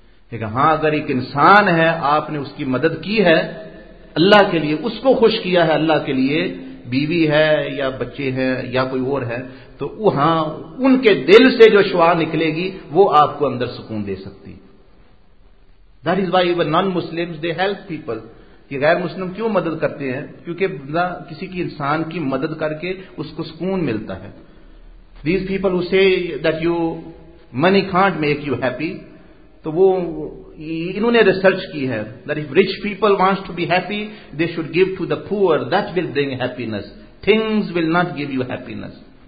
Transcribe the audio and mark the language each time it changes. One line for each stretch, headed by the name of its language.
Urdu: لیکن ہاں اگر ایک انسان ہے آپ نے اس کی مدد کی ہے اللہ کے لیے, اس کو خوش کیا ہے اللہ کے لیے, بیوی ہے یا بچے ہیں یا کوئی اور ہے, تو ہاں ان کے دل سے جو شعا نکلے گی وہ آپ کو اندر سکون دے سکتی.
English: That is why even non Muslim they help people.
Urdu: کہ غیر مسلم کیوں مدد کرتے ہیں؟ کیونکہ کسی کی انسان کی مدد کر کے اس کو سکون ملتا ہے.
English: these people who say that you money can't make you happy,
Urdu: تو وہ انہوں نے ریسرچ کی ہے
English: That if rich people wants to be happy they should give to the poor, that will bring happiness, things will not give you happiness.